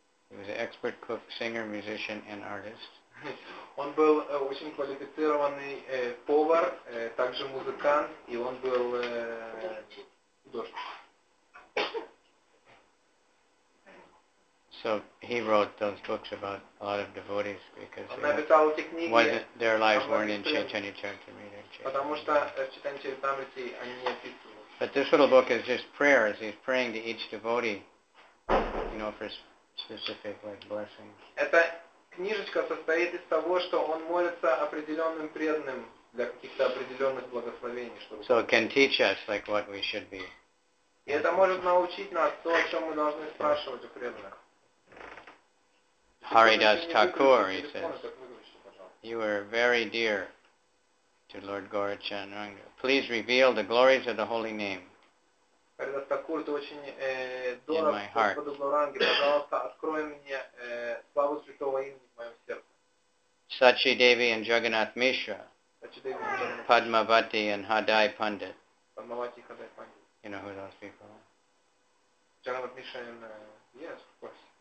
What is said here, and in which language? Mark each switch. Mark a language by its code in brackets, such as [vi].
[en] He was an expert cook, singer, musician, and artist. [ru] Он был очень квалифицированный повар, также музыкант, и он был художник. [en] So he wrote those books about a lot of devotees because [ru] он написал эти книги, [en] their lives weren't in Chaitanya Charitamrita. [ru] Потому что в Chaitanya Charitamrita они не описывают. [en] But this little book is just prayers. He's praying to each devotee, you know, for specific like blessings. [ru] Книжечка состоит из того, что он молится определенным преданным для каких-то определенных благословений. Чтобы... [en] So it can teach us, like, what we should be. [ru] И это может научить нас то, о чем мы должны спрашивать у преданных. [en] Харидас Такур, he says, you are very dear to Lord Gaura Chaturanga. Please reveal the glories of the holy name. [ru] Харидас Такур, ты очень дорог Господу Гауранге. Пожалуйста, открой мне славу святого имени. [en] Sachi Devi and Jagannath Mishra, Padmavati and Hadai Pandit. Padmavati and Hadai Pandit. You know who those people are? Jagannath Mishra and, yes, of course.